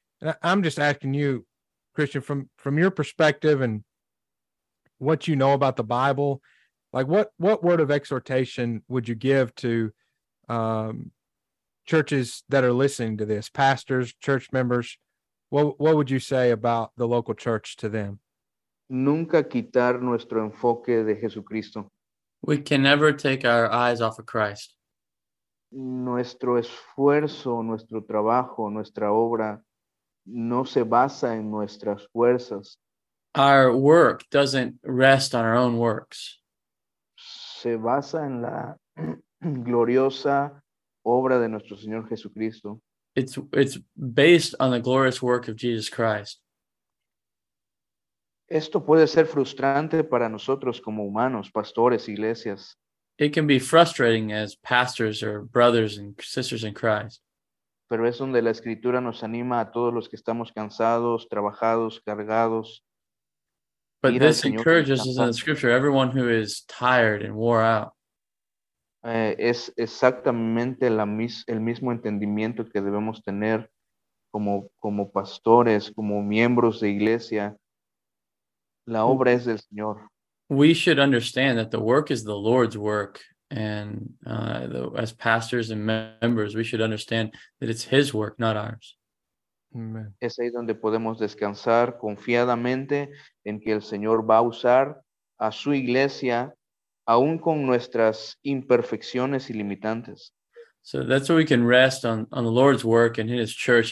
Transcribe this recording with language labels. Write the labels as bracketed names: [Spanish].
[English] And I'm just asking you, Cristian, from your perspective and what you know about the Bible, like what word of exhortation would you give to, churches that are listening to this, pastors, church members, what would you say about the local church to them? [Spanish] Nunca quitar nuestro enfoque de Jesucristo. [English] We can never take our eyes off of Christ. [Spanish] Nuestro esfuerzo, nuestro trabajo, nuestra obra no se basa en nuestras fuerzas. [English] Our work doesn't rest on our own works. [Spanish] Se basa en la gloriosa obra de nuestro Señor Jesucristo. [English] it's based on the glorious work of Jesus Christ. [Spanish] Esto puede ser frustrante para nosotros como humanos, pastores, iglesias. [English] It can be frustrating as pastors or brothers and sisters in Christ. [Spanish] Pero es donde la escritura nos anima a todos los que estamos cansados, trabajados, cargados. [English] But this encourages us in the scripture, everyone who is tired and wore out. [Spanish] Es exactamente el mismo entendimiento que debemos tener como pastores, como miembros de iglesia. La obra es del Señor. [English] We should understand that the work is the Lord's work. And as pastors and members, we should understand that it's His work, not ours. Amen. [Spanish] Es ahí donde podemos descansar confiadamente en que el Señor va a usar a su iglesia, aún con nuestras imperfecciones y limitantes. [English] So that's where we can rest on the Lord's work and in His church.